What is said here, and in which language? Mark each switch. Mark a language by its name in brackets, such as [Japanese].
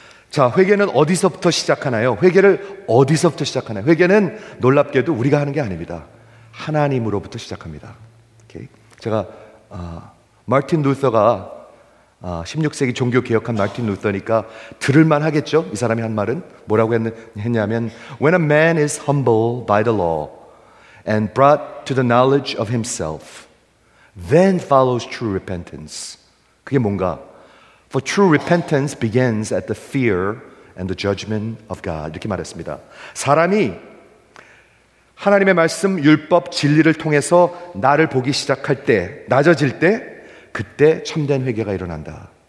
[Korean] 자, 회개는 어디서부터 시작하나요? 회개를 어디서부터 시작하나요? 회개는 놀랍게도 우리가 하는 게 아닙니다. 하나님으로부터 시작합니다. 오케이? 제가 마틴 루터가 16세기 종교 개혁한 마틴 루터니까 들을만 하겠죠? 이 사람이 한 말은 뭐라고 했냐면 [English] When a man is humble by the law and brought to the knowledge of himself, then follows true repentance. [Korean] 그게 뭔가? [English] For true repentance begins at the fear and the judgment of God. [Korean] 이렇게 말했습니다. 사람이 하나님의 말씀, 율법, 진리를 통해서 나를 보기 시작할 때, 낮아질 때, 그때 참된 회개가 일어난다.